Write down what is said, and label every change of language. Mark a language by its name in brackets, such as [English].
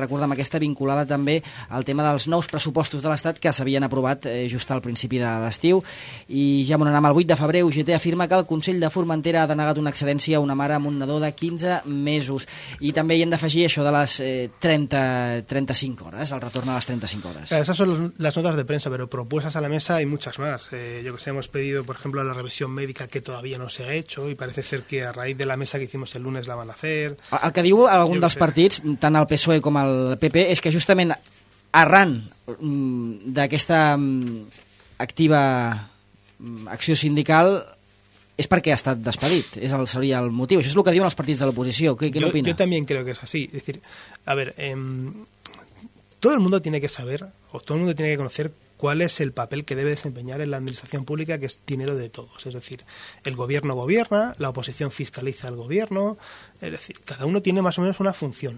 [Catalan] Recordem aquesta vinculada també al tema dels nous pressupostos de l'Estat que s'havien aprovat just al principi de l'estiu. I ja anem al 8 de febrer. UGT afirma que el Consell de Formentera ha denegat una excedència a una mare amb un nadó de 15 mesos. I també hi hem d'afegir això de les 35 hores, el retorn a les 35 hores. [Spanish] Esas son las notas de prensa, pero propuestas a la mesa hay muchas más. Yo que sé, hemos pedido, por ejemplo, la revisión médica que todavía no se ha hecho y parece ser que a raíz de la mesa que hicimos el lunes la van a hacer. [Catalan] El que diu algun dels partits, tant el PSOE com el PP, és que justament arran d'aquesta activa acció sindical és perquè ha estat despedit, seria el motiu. Això és el que diuen els partits de l'oposició. Què n'opina? Jo també crec que és així. És a dir, a veure, tot el món [Spanish] tiene que saber, [Catalan] o tot el món [Spanish] tiene que conocer cuál es el papel que debe desempeñar en la administración pública, que es dinero de todos. Es decir, el gobierno gobierna, la oposición fiscaliza al gobierno, es decir, cada uno tiene más o menos una función.